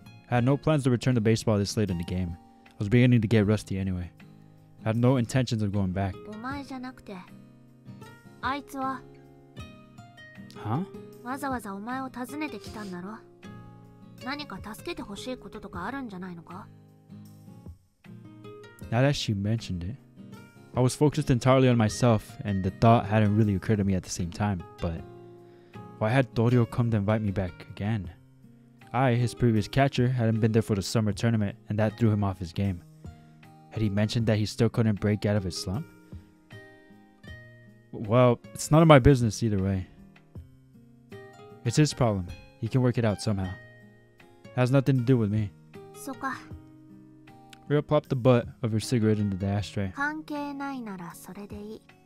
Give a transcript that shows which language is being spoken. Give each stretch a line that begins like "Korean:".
English: I had no plans to return to baseball this late in the game. I was beginning to get rusty anyway. I had no intentions of going back.
Japanese: お前じゃなくて、あいつは？
English: Huh?
Japanese: わざわざお前を訪ねてきたんだろ？何か助けてほしいこととかあるんじゃないのか？
English: Now that she mentioned it, I was focused entirely on myself and the thought hadn't really occurred to me at the same time, but... Why had Dorio come to invite me back again? I, his previous catcher, hadn't been there for the summer tournament, and that threw him off his game. Had he mentioned that he still couldn't break out of his slump? Well, it's none of my business either way. It's his problem. He can work it out somehow. It has nothing to do with me.
Japanese: So か.
English: Rio plopped the butt of her cigarette into the ashtray.
Japanese: 関係ないならそれでいい。